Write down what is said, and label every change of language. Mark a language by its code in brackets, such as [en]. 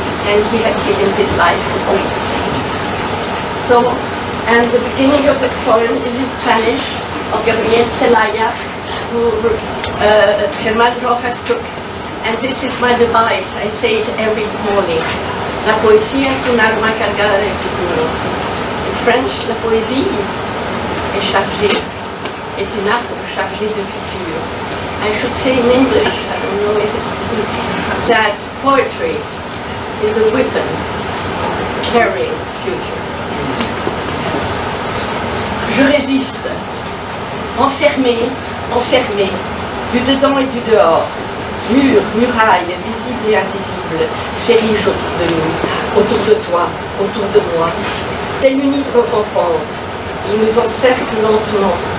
[en] And he had given his life to me. So, and the beginning of this poem is in Spanish of Gabriel Celaya, who Germán Rojas took. And this is my device, I say it every morning. [es] La poesía es un arma cargada de futuro. [en] In French, [fr] la poésie est chargée, est une arme chargée de futur. [en] I should say in English, I don't know if it's that poetry is a weapon carrying future. [fr] Je résiste, enfermé, du dedans et du dehors, mur, muraille, visible et invisible, s'érige autour de nous, autour de toi, autour de moi. Telle une hydre rampante, il nous encercle lentement.